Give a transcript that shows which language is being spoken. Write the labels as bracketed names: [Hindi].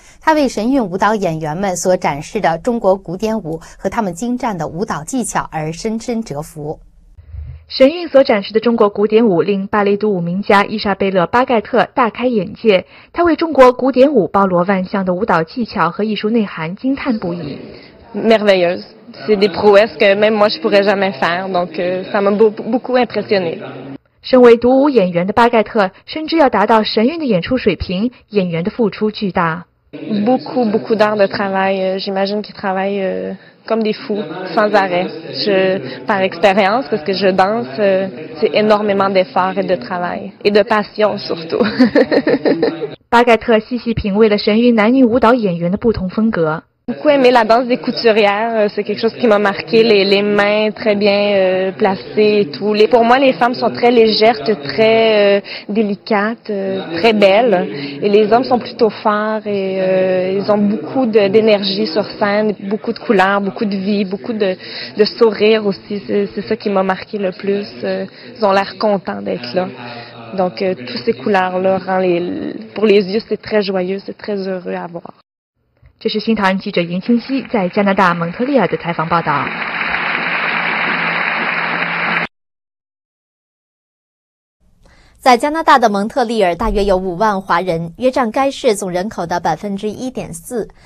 [Chinese] 他为神韵舞蹈演员们所展示的中国古典舞和他们精湛的舞蹈技巧而深深折服。神韵所展示的中国古典舞令芭蕾独舞名家伊莎贝勒·巴盖特大开眼界，他为中国古典舞包罗万象的舞蹈技巧和艺术内涵惊叹不已。 [French] Merveilleuse. C'est des prouesses que même moi je pourrais jamais faire, donc ça m'a beaucoup impressionné. [Chinese] 身为独舞演员的巴盖特深知要达到神韵的演出水平，演员的付出巨大。 [French] Beaucoup, beaucoup d'heures de travail, j'imagine qu'ils travaillent comme des fous, sans arrêt. Par expérience, parce que je danse, c'est énormément d'efforts et de travail, et de passion surtout. [Chinese] 巴盖特细细品味了神韵男女舞蹈演员的不同风格。 [French] Beaucoup aimé la danse des couturières, c'est quelque chose qui m'a marqué, les mains très bien placées et tout. Pour moi, les femmes sont très légères, très délicates, très belles. Et les hommes sont plutôt forts et ils ont beaucoup d'énergie sur scène, beaucoup de couleurs, beaucoup de vie, beaucoup de sourires aussi. C'est ça qui m'a marqué le plus. Ils ont l'air contents d'être là. Donc, toutes ces couleurs-là, pour les yeux, c'est très joyeux, c'est très heureux à voir. [Chinese] 这是新唐人记者严清溪在加拿大蒙特利尔的采访报道。在加拿大的蒙特利尔大约有50,000华人，约占该市总人口的 1.4%。